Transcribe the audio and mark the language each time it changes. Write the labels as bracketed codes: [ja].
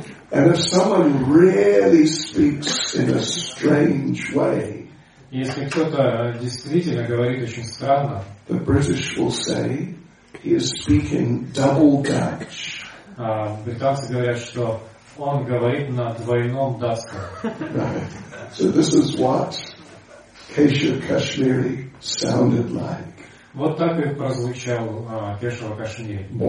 [en] And if someone really speaks in a strange way, [ru] если кто-то действительно говорит очень странно, [en] the British will say he is speaking double Dutch. [ru] Британцы говорят, что он говорит на двойном датском. [en] Right. So this is what Keshava Kashmiri sounded like. [ru] Вот так и прозвучал Кешава Кашмири.